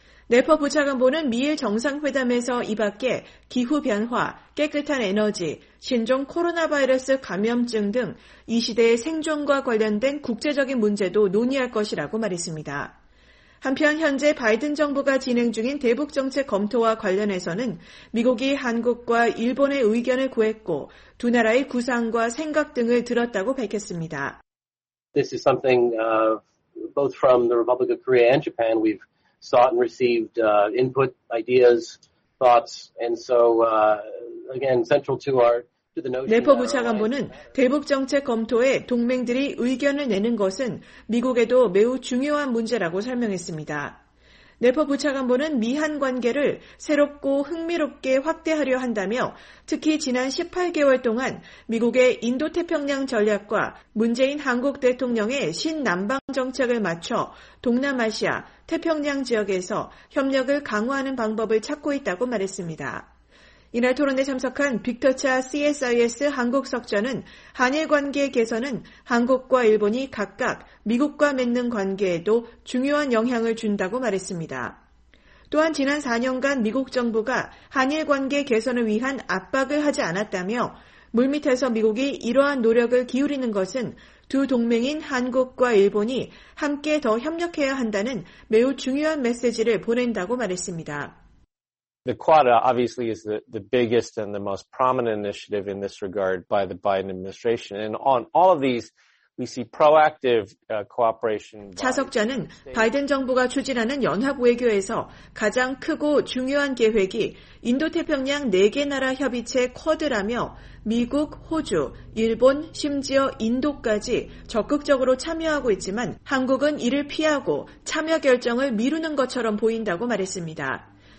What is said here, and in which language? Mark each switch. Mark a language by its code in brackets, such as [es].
[ko] 네퍼 부차관보는 미일 정상회담에서 이밖에 기후변화, 깨끗한 에너지, 신종 코로나 바이러스 감염증 등 이 시대의 생존과 관련된 국제적인 문제도 논의할 것이라고 말했습니다. 한편 현재 바이든 정부가 진행 중인 대북정책 검토와 관련해서는 미국이 한국과 일본의 의견을 구했고 두 나라의 구상과 생각 등을 들었다고 밝혔습니다. [en] This is something both from the Republic of Korea and Japan we've sought and received input, ideas, thoughts, and so again central to our [ko] 네퍼 부차관보는 대북 정책 검토에 동맹들이 의견을 내는 것은 미국에도 매우 중요한 문제라고 설명했습니다. 네퍼 부차관보는 미한 관계를 새롭고 흥미롭게 확대하려 한다며 특히 지난 18개월 동안 미국의 인도태평양 전략과 문재인 한국 대통령의 신남방 정책을 맞춰 동남아시아, 태평양 지역에서 협력을 강화하는 방법을 찾고 있다고 말했습니다. 이날 토론에 참석한 빅터차 CSIS 한국석좌는 한일관계 개선은 한국과 일본이 각각 미국과 맺는 관계에도 중요한 영향을 준다고 말했습니다. 또한 지난 4년간 미국 정부가 한일관계 개선을 위한 압박을 하지 않았다며 물밑에서 미국이 이러한 노력을 기울이는 것은 두 동맹인 한국과 일본이 함께 더 협력해야 한다는 매우 중요한 메시지를 보낸다고 말했습니다. [en] The Quad obviously is the biggest and the most prominent initiative in this regard by the Biden administration. And on all of these, we see proactive cooperation. [ko] 차석자는 바이든 정부가 추진하는 연합 외교에서 가장 크고 중요한 계획이 인도태평양 4개 나라 협의체 쿼드라며 미국, 호주, 일본, 심지어 인도까지 적극적으로 참여하고 있지만 한국은 이를 피하고 참여 결정을 미루는 것처럼 보인다고 말했습니다.